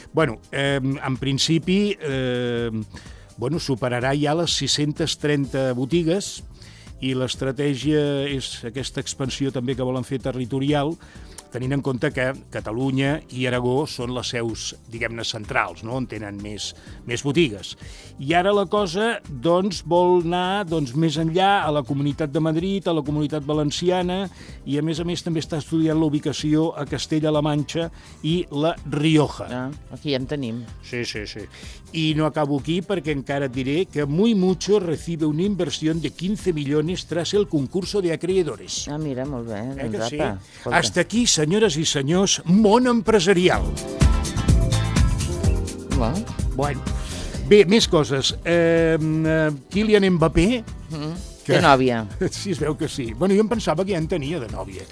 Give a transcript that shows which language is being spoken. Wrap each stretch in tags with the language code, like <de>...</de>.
<ca>Bueno, en principi, bueno, superarà ja les 630 botigues i l'estratègia és aquesta expansió també que volen fer territorial, tenint en compte que Catalunya i Aragó són les seus, diguem-ne, centrals, no? On tenen més botigues. I ara la cosa, doncs, vol anar doncs, més enllà a la Comunitat de Madrid, a la Comunitat Valenciana, i a més també està estudiant la ubicació a Castella-La Manxa i la Rioja. Ah, aquí ja en tenim. Sí, sí, sí. I no acabo aquí perquè encara et diré que</ca> <es>Muy Mucho recibe una inversión de 15 millones tras el concurso de acreedores.</es> <ca>Ah, mira, molt bé. Doncs sí? Hasta aquí, senyores i senyors, Món Empresarial. Bueno. Bé, més coses. Kylian Mbappé... Que... Té nòvia. Sí, es veu que sí. Bueno, jo em pensava que ja en tenia, de nòvia.</ca>